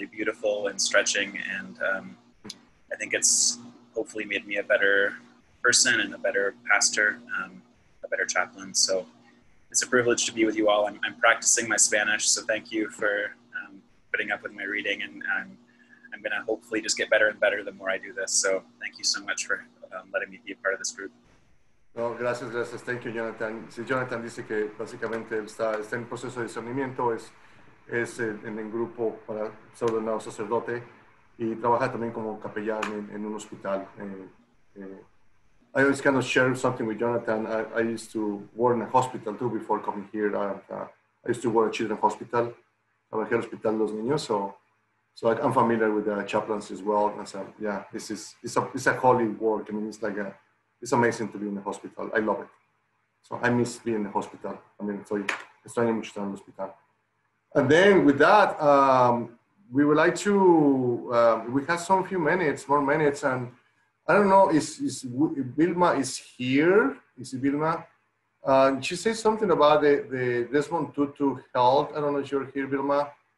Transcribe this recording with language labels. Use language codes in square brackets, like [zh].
[en] really beautiful and stretching, and I think it's hopefully made me a better person and a better pastor, a better chaplain. So it's a privilege to be with you all. I'm practicing my Spanish, so thank you for putting up with my reading, and I'm going to hopefully just get better and better the more I do this. So thank you so much for letting me be a part of this group. [es] No, gracias, gracias. [en] Thank you, Jonathan. [es] Si Jonathan dice que básicamente está en proceso de discernimiento, es en el grupo para ser ordenado sacerdote y trabaja también como capellán en un hospital. [en] I always kind of share something with Jonathan. I used to work in a hospital too before coming here. I used to work at a children's hospital. [es] Trabajé en el hospital de los niños, [en] so I'm familiar with the chaplains as well. And so, yeah, it's a holy work. I mean, it's like it's amazing to be in the hospital. I love it. So I miss being in the hospital. I mean, so [es] extraño mucho estar en el hospital. [en] And then with that, we would like to, we have some few minutes, more minutes, and I don't know, is Vilma is here? Is it Vilma? She says something about the Desmond Tutu health. I don't know if you're here, Vilma.